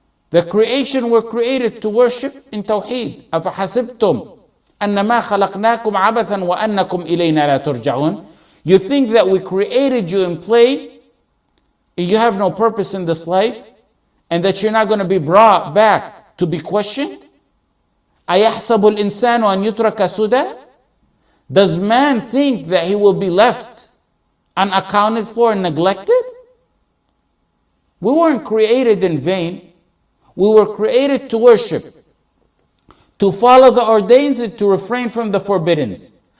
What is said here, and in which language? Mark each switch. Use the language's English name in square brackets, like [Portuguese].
[English] The creation were created to worship in tawheed. [Arabic] أَفَحَسِبْتُمْ أَنَّمَا خَلَقْنَاكُمْ عَبَثًا وَأَنَّكُمْ إِلَيْنَا لَا تُرْجَعُونَ. [English] You think that we created you in play, and you have no purpose in this life, and that you're not going to be brought back to be questioned? [Arabic] أَيَحْسَبُ الْإِنسَانُ أَنْ يُتْرَكَ سُدًى. [English] Does man think that he will be left unaccounted for and neglected? We weren't created in vain. We were created to worship, to follow the ordains, and to refrain from the forbiddens.